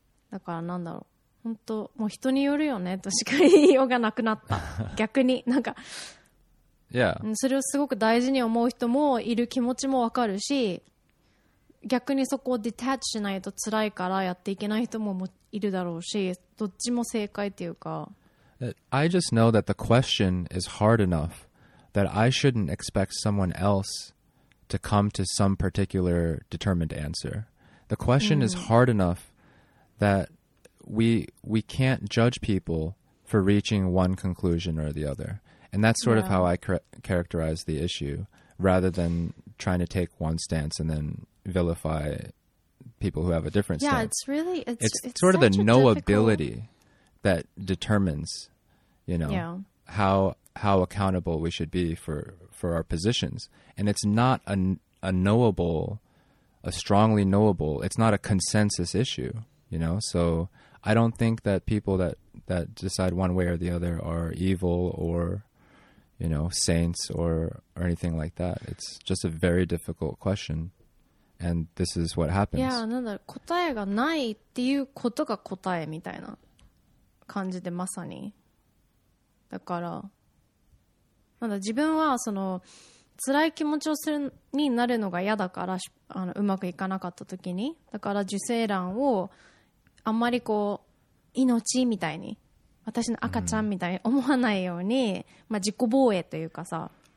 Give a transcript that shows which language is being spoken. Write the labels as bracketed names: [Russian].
[Japanese] だからなんだろう本当もう人によるよねとしか言いようがなくなった逆になんか、 [English] yeah. [Japanese] それをすごく大事に思う人もいる気持ちもわかるし逆にそこをディタッチしないと辛いからやっていけない人もいるだろうしどっちも正解っていうか [English] I just know that the question is hard enough that I shouldn't expect someone else to come to some particular determined answer. The question is hard enough that we can't judge people for reaching one conclusion or the other. And that's sort of how I characterize the issue, rather than trying to take one stance and then vilify people who have a different stance. Yeah, it's really... It's sort of the knowability that determines... You know, yeah. how accountable we should be for our positions. And it's not a knowable, a strongly knowable, it's not a consensus issue, you know? So I don't think that people that decide one way or the other are evil or, you know, saints or anything like that. It's just a very difficult question. And this is what happens. [Japanese] Yeah, なんだろう、答えがないっていうことが答えみたいな感じでまさに。だからなんだ自分はその辛い気持ちをするになるのが嫌だからあのうまくいかなかった時にだから受精卵をあんまりこう命みたいに私の赤ちゃんみたいに思わないように、うんまあ、自己防衛というかさ、